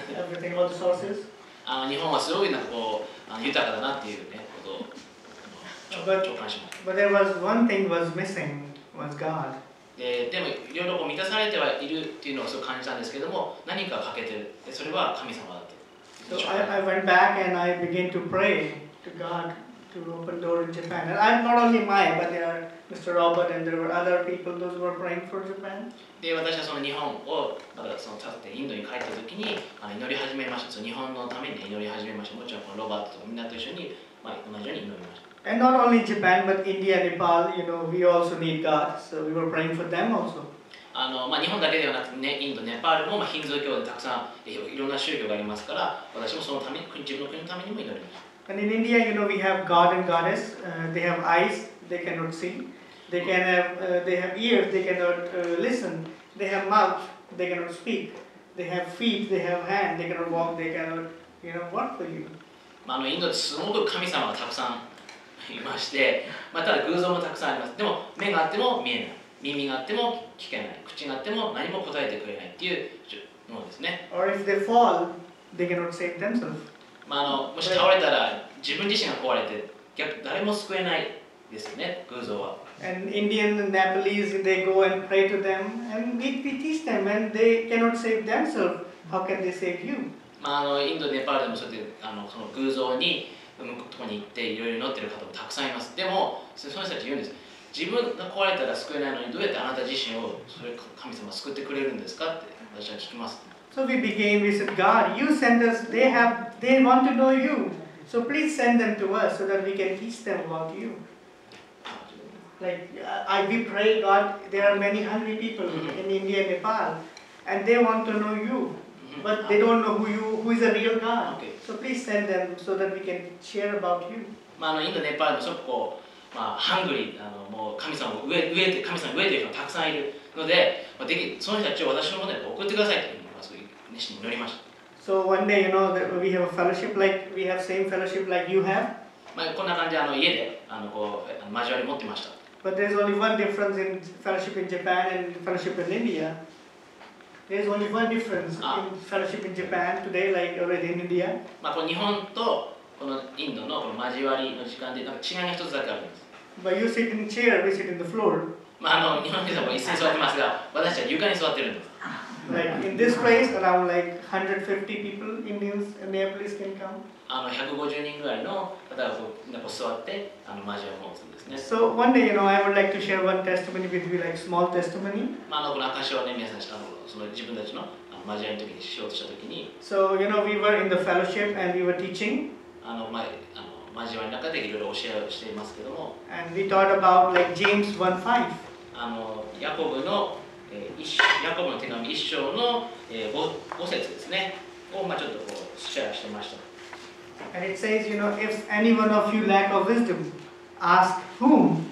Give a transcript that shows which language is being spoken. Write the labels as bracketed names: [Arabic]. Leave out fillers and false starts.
[English] everything, all the sources. [Japanese] 日本はすごいなんかこう豊かだなっていう、ね、ことを直 [English] But there was one thing was missing, was God. [Japanese] でもいろいろ満たされてはいるっていうのをすごく感じたんですけども、何か欠けてる。それは神様だって。 [English] So I went back and I began to pray to God to open door in Japan. And I'm not only my, but there are Mr. Robert and there were other people those were praying for Japan. [Japanese] で私はその日本をまたその立ってインドに帰った時に祈り始めました。その日本のために祈り始めました。もちろんこのロバートとみんなと一緒に、まあ、同じように祈りました。 [English] And not only Japan, but India, Nepal, you know, we also need God. So we were praying for them also. [Japanese] まあ、日本だけではなくて、ね、インド、ネパールも、まあ、ヒンズー教でたくさんいろんな宗教がありますから、私もそのために、自分の国のためにも祈ります。 [English] And in India, you know, we have God and Goddess. They have eyes, they cannot see. They, can have, they have ears, they cannot listen. They have mouth, they cannot speak. They have feet, they have hand, they cannot walk, they cannot, you know, work for you. [Japanese] まあ、インドってすごく神様がたくさんいまして、まあ、ただ偶像もたくさんあります。でも目があっても見えない、耳があっても聞けない、口があっても何も答えてくれないっていうものですね。 [English] Or if they fall, they cannot save themselves. [Japanese] まあ、もし倒れたら自分自身が壊れて、逆誰も救えないですね、偶像は。 [English] And Indian and Nepalese, they go and pray to them, and we teach them, and they cannot save themselves. How can they save you? [Japanese] まあ、インド、ネパールでもそうやってその偶像に向こうとこに行っていろいろ祈ってる方もたくさんいます。でもその人たち言うんです。自分が壊れたら救えないのにどうやってあなた自身をそれ神様救ってくれるんですかって私は聞きます。 [English] So we began we said God, you send us. They want to know you. So please send them to us so that we can teach them about you. Like we pray God, there are many hungry people in India, Nepal, and they want to know you. But they don't know who is a real God. Okay. So please send them so that we can share about you. [Japanese] まあ、インド、ネパールもすごくこう、まあ、ハングリー、もう神様を飢えて、神様を飢えている人がたくさんいるので、まあ、できその人たちを私のもとに送ってくださいというのがすごい熱心に祈りました。 [English] So one day, you know, that we have a fellowship like, we have same fellowship like you have. [Japanese] まあ、こんな感じで家でこう交わり持ってました。 [English] But there's only one difference in fellowship in Japan and fellowship in India. There's only one difference in fellowship in Japan today, like already in India. [Japanese] まあ、この日本とこのインドのこの交わりの時間でなんか違いが一つだけあるんです。 [English] But you sit in chair, we sit in the floor. [Japanese] まあ、日本人は椅子に座ってますが、私たちは床に座ってるんです。 [English] Like in this place, around like 150 people, Indians and Nepalese can come. [Japanese] 150人ぐらいの方が座って交わりを持つんですね。 [English] So one day, you know, I would like to share one testimony with you, like small testimony. [Japanese] まあ、この証しをね、皆さんしたの。その自分たちの交わりの時にしようとした時に、 [English] So you know, we were in the fellowship and we were teaching. [Japanese] 交わりの中でいろいろ教えをしていますけども、 [English] And we taught about like James 1:5. [Japanese] ヤコブの、ヤコブの手紙一章の、5節ですね。をまあちょっとこうシェアしてました。 [English] And it says, you know, if any one of you lack of wisdom, ask whom?